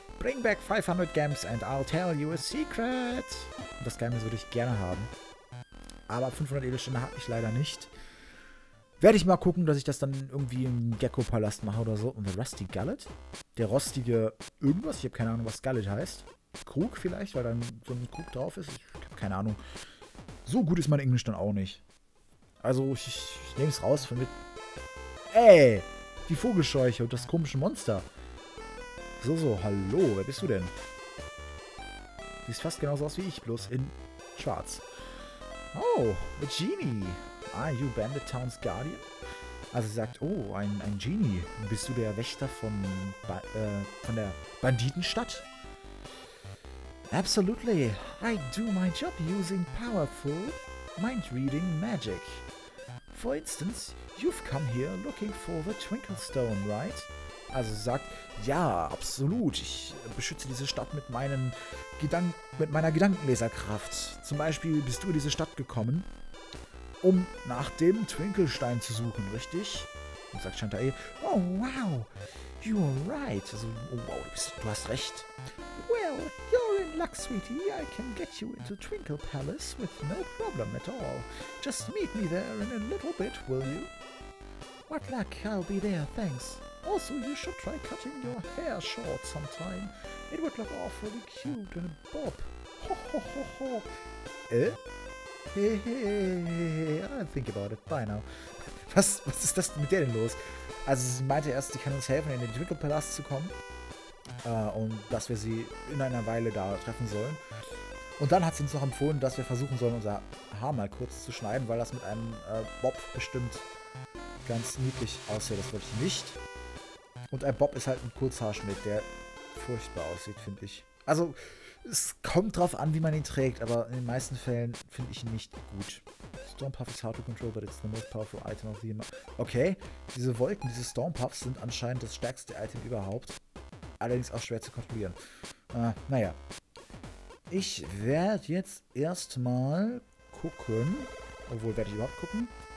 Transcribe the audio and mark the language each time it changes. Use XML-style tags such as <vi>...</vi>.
<en>Bring back 500 gems and I'll tell you a secret.</en> <de>Das Geheimnis würde ich gerne haben. Aber 500 Edelsteine habe ich leider nicht. Werde ich mal gucken, dass ich das dann irgendwie im Gecko-Palast mache oder so. Und der Rusty Gullet? Der rostige irgendwas? Ich habe keine Ahnung, was Gullet heißt. Krug vielleicht, weil dann so ein Krug drauf ist? Ich habe keine Ahnung. So gut ist mein Englisch dann auch nicht. Also, ich nehme es raus von mit... Ey! Die Vogelscheuche und das komische Monster. So, hallo, wer bist du denn? Siehst fast genauso aus wie ich, bloß in schwarz.</de> <en>Oh, a genie. Are you Bandit Town's Guardian?</en> <de>Also sie sagt, oh, ein Genie. Bist du der Wächter von der Banditenstadt?</de> <en>Absolutely. I do my job using powerful mind-reading magic. For instance, you've come here looking for the Twinkle Stone, right?</en> <de>Also sagt, ja, absolut. Ich beschütze diese Stadt mit meiner Gedankenleserkraft. Zum Beispiel bist du in diese Stadt gekommen, um nach dem Twinkelstein zu suchen, richtig? Und sagt Chantae,</de> <en>oh wow, you're right.</en> <de>Also, oh wow, du hast recht.</de> <en>Well, you're in luck, sweetie. I can get you into Twinkle Palace with no problem at all. Just meet me there in a little bit, will you? What luck, I'll be there, thanks. Also, you should try cutting your hair short sometime. It would look awfully cute in a bob. Ho ho ho ho. I think about it by now.</en> <de>Was ist das mit der denn los? Also, sie meinte erst, sie kann uns helfen, in den Twinkle-Palast zu kommen. Und dass wir sie in einer Weile da treffen sollen. Und dann hat sie uns noch empfohlen, dass wir versuchen sollen, unser Haar mal kurz zu schneiden, weil das mit einem Bob bestimmt ganz niedlich aussieht. Das wollte ich nicht. Und ein Bob ist halt ein Kurzhaarschnitt, der furchtbar aussieht, finde ich. Also, es kommt drauf an, wie man ihn trägt, aber in den meisten Fällen finde ich ihn nicht gut.</de> <en>Stormpuff is hard to control, but it's the most powerful item of the game.</en> <de>Okay, diese Wolken, diese Stormpuffs sind anscheinend das stärkste Item überhaupt. Allerdings auch schwer zu kontrollieren. Naja. Ich werde jetzt erstmal gucken. Obwohl, werde ich überhaupt gucken?</de>